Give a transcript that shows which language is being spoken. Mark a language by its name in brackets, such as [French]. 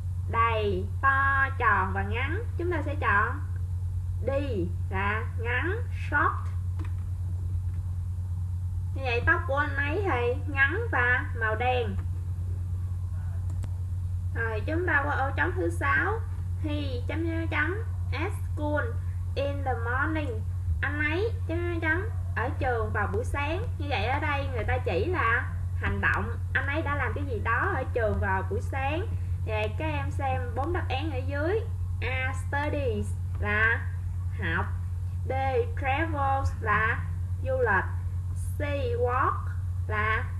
[Vietnamese] Đầy, to, tròn và ngắn. Chúng ta sẽ chọn D là ngắn, short. Như vậy tóc của anh ấy thì ngắn và màu đen. Rồi chúng ta qua ô trống thứ 6. [English] He... at school in the morning. [Vietnamese] Anh ấy... ở trường vào buổi sáng. Như vậy ở đây người ta chỉ là hành động, anh ấy đã làm cái gì đó ở trường vào buổi sáng. Vậy các em xem 4 đáp án ở dưới. A studies, là học. B travels, là du lịch. C walk, là